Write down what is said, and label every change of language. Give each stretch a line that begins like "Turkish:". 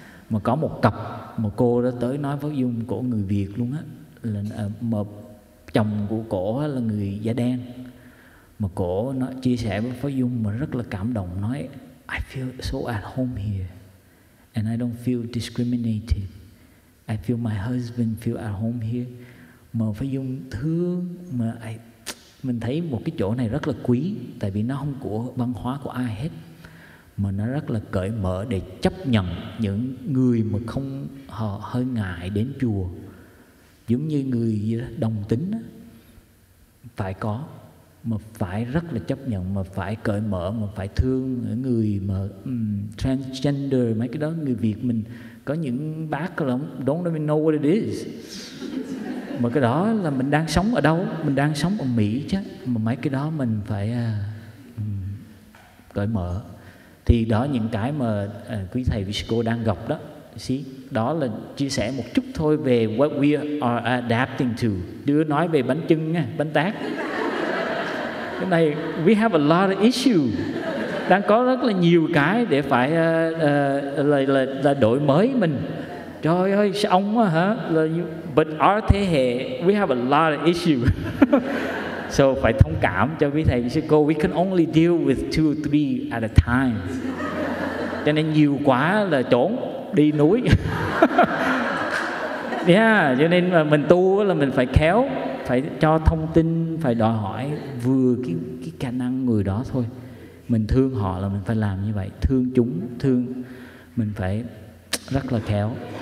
Vietnamese: Mà có một cặp mà cô đó tới nói với Dung cổ người Việt luôn á, là mà chồng của cổ là người da đen. Mà cổ nó chia sẻ với Phó Dung mà rất là cảm động, nói
English: I feel so at home here and I don't feel discriminated. I feel my husband feel at home here.
Vietnamese: Mà Phó Dung thương, mà mình thấy một cái chỗ này rất là quý, tại vì nó không của văn hóa của ai hết, mà nó rất là cởi mở để chấp nhận những người mà không, họ hơi ngại đến chùa. Giống như người đồng tính đó, phải có, mà phải rất là chấp nhận, mà phải cởi mở, mà phải thương những người mà transgender, mấy cái đó. Người Việt mình có những bác là
English: don't even know what it is.
Vietnamese: Mà cái đó là mình đang sống ở đâu? Mình đang sống ở Mỹ chứ. Mà mấy cái đó mình phải cởi mở. Thì đó những cái mà quý thầy Vị Sư Cô đang gặp đó, đó là chia sẻ một chút thôi về
English: what we are adapting to.
Vietnamese: Đứa nói về bánh chưng, bánh tát. Cái này,
English: we have a lot of issue.
Vietnamese: Đang có rất là nhiều cái để phải là đổi mới mình. Trời ơi, ông á hả?
English: But our
Vietnamese: thế hệ,
English: we have a lot of issue.
Vietnamese: So phải thông cảm cho quý thầy, quý sư cô.
English: We can only deal with 2-3 at a time.
Vietnamese: Cho nên nhiều quá là trốn, đi núi. Yeah, cho nên mà mình tu là mình phải khéo, phải cho thông tin, phải đòi hỏi vừa cái khả năng người đó thôi. Mình thương họ là mình phải làm như vậy, thương chúng, thương mình phải rất là khéo.